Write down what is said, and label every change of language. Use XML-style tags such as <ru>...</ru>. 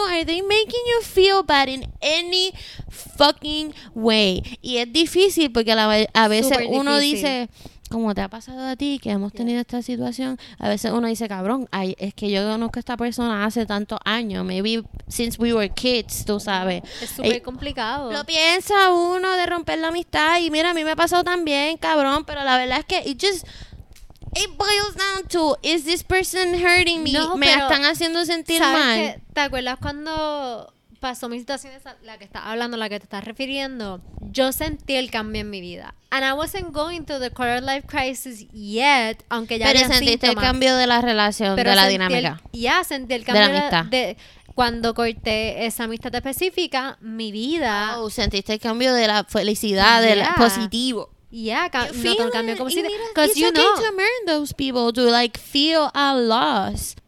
<en>Are they making you feel bad in any fucking way?</en> <es>Y es difícil porque a veces uno dice, como te ha pasado a ti, que hemos tenido esta situación, a veces uno dice, cabrón, ay, es que yo conozco a esta persona hace tantos años,</es> <en>maybe since we were kids,</en> <es>tú sabes. Es súper complicado. Lo piensa uno de romper la amistad, y mira, a mí me ha pasado también, cabrón, pero la verdad es que</es> <en>it boils down to, is this person hurting me?</en> <es>No, me están haciendo sentir mal. ¿Sabes qué? ¿Te acuerdas cuando pasó mi situación, esa, la que estás hablando, la que te estás refiriendo? Yo sentí el cambio en mi vida.</es> <en>And I wasn't going through the quarter life crisis yet,</en> <es>aunque ya pero sentiste síntomas, el cambio de la relación, pero de la dinámica. Ya, yeah, sentí el cambio de la amistad. Cuando corté esa amistad específica, mi vida. Oh, sentiste el cambio de la felicidad, yeah, del positivo. Yeah, cambio como si.</es> <en>Because you know. It's okay to marry those people to like feel a loss.</en>